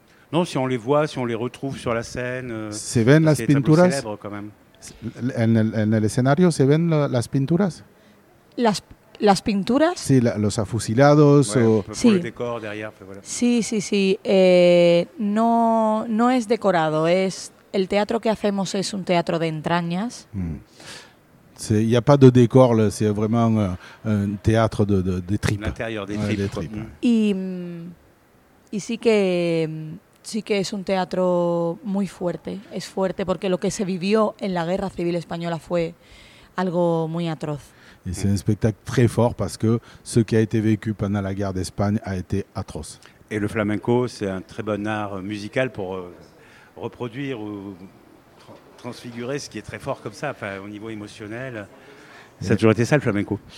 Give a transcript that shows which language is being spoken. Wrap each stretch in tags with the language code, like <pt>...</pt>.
<fr>Non, si on les voit, si on les retrouve sur la scène.</fr> <es>Se ven las pinturas.</es> <fr>Célèbres, quand même.</fr> <es>En el escenario se ven las pinturas. Las las pinturas. Sí, la, los afusilados. Bueno, o, sí. Por el</es> <fr>decor derrière,</fr> <es>pero bueno. Sí, sí, sí. No, no es decorado. Es el teatro que hacemos es un teatro de entrañas.</es> <fr>Il n'y a pas de décor, là, c'est vraiment un théâtre de tripes. L'intérieur des tripes. Ouais, des tripes.</fr> <es>Y sí que es un teatro muy fuerte. Es fuerte porque lo que se vivió en la guerra civil española fue algo muy atroz.</es> <fr>Et c'est un spectacle très fort parce que ce qui a été vécu pendant la guerre d'Espagne a été atroce. Et le flamenco, c'est un très bon art musical pour reproduire ou... transfigurer ce qui est très fort comme ça, enfin, au niveau émotionnel. Ça a toujours été ça, le flamenco.</fr>